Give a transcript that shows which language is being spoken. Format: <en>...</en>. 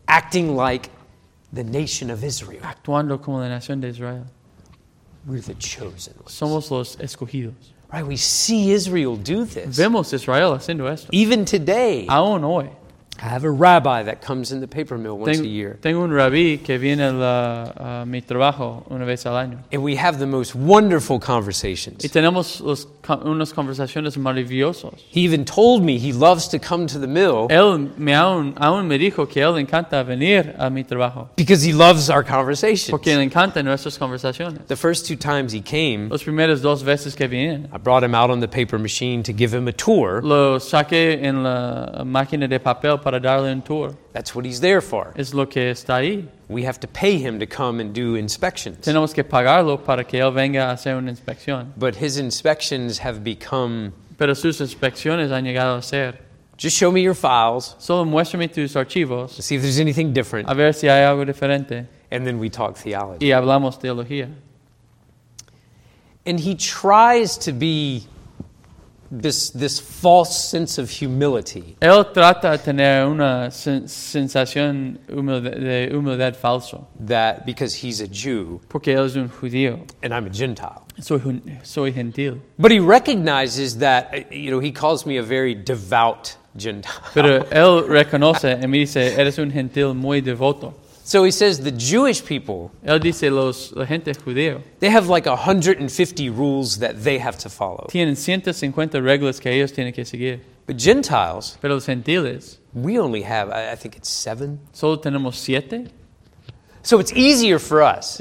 <en>Acting like the nation of Israel.</en> <es>Actuando como la nación de Israel.</es> <en>We're the chosen ones.</en> <es>Somos los escogidos.</es> <en>Right, we see Israel do this.</en> <es>Vemos Israel haciendo esto.</es> <en>Even today.</en> <es>Aún hoy.</es> <en>I have a rabbi that comes in the paper mill once a year.</en> <es>Tengo un rabí que viene a mi trabajo una vez al año.</es> <en>And we have the most wonderful conversations.</en> <es>Y tenemos unas conversaciones maravillosas.</es> <en>He even told me he loves to come to the mill.</en> <es>Él aún me dijo que él encanta venir a mi trabajo.</es> <en>Because he loves our conversations.</en> <es>Porque le encanta nuestras conversaciones.</es> <en>The first two times he came.</en> <es>Los primeros dos veces que viene.</es> <en>I brought him out on the paper machine to give him a tour.</en> <es>Lo saqué en la máquina de papel. Para darle un tour.</es> <en>That's what he's there for.</en> <es>Es lo que está ahí.</es> <en>We have to pay him to come and do inspections.</en> <es>Tenemos que pagarlo para que él venga a hacer una inspección.</es> <en>But his inspections have become.</en> <es>Pero sus inspecciones han llegado a ser.</es> <en>Just show me your files.</en> <es>Solo muéstrame tus archivos.</es> <en>See if there's anything different.</en> <es>A ver si hay algo diferente.</es> <en>And then we talk theology.</en> <es>Y hablamos teología.</es> <en>And he tries to be. This false sense of humility.</en> <es>Él trata de tener una sensación de humildad falso.</es> <en>That because he's a Jew.</en> <es>Porque él es un judío.</es> <en>And I'm a Gentile.</en> <es>Soy gentil.</es> <en>But he recognizes that, you know, he calls me a very devout Gentile.</en> <es>Pero él reconoce y me dice, eres un gentil muy devoto.</es> <en>So he says the Jewish people.</en> <es>Él dice la gente judía.</es> <en>They have like 150 rules that they have to follow.</en> <es>Tienen 150 reglas que ellos tienen que seguir.</es> <en>But Gentiles.</en> <es>Pero los gentiles.</es> <en>We only have, I think it's 7.</en> <es>Solo tenemos 7.</es> <en>So it's easier for us.</en>